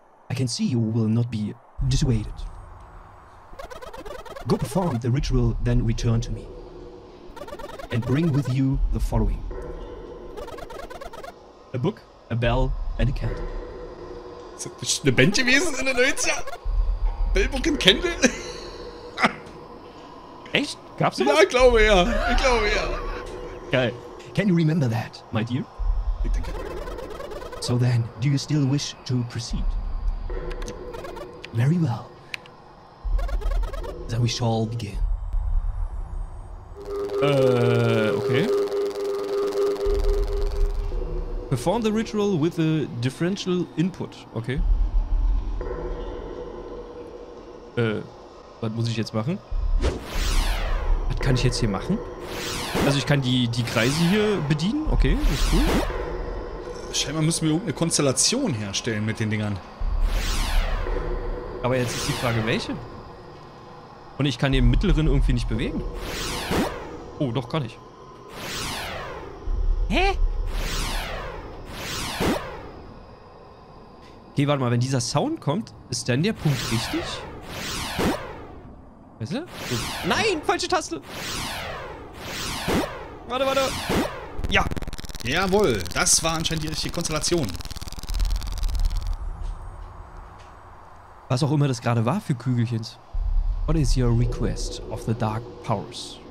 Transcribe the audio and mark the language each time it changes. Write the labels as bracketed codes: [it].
[en] I can see you will not be dissuaded. Go perform the ritual, then return to me. And bring with you the following. A book, a bell, and a candle. [de] Ist das eine Band gewesen in den 90er? [en] Bell, Book and Candle? [de] Echt? Gab's sowas? Ja, ich glaube ja. Ich glaube ja. Geil. [en] Can you remember that, my dear? [de] Ich denke. [en] So then, do you still wish to proceed? Very well. Then we shall begin. Okay. Perform the ritual with a differential input. Okay. [de] Was muss ich jetzt machen? Was kann ich jetzt hier machen? Also ich kann die Kreise hier bedienen. Okay, ist cool. Scheinbar müssen wir irgendeine Konstellation herstellen mit den Dingern. Aber jetzt ist die Frage, welche? Und ich kann den mittleren irgendwie nicht bewegen. Oh, doch, kann ich. Hä? Okay, warte mal, wenn dieser Sound kommt, ist denn der Punkt richtig? Weißt du? Nein, falsche Taste! Warte, warte! Ja! Jawohl, das war anscheinend die richtige Konstellation. Was auch immer das gerade war für Kügelchens. [en] What is your request of the dark powers?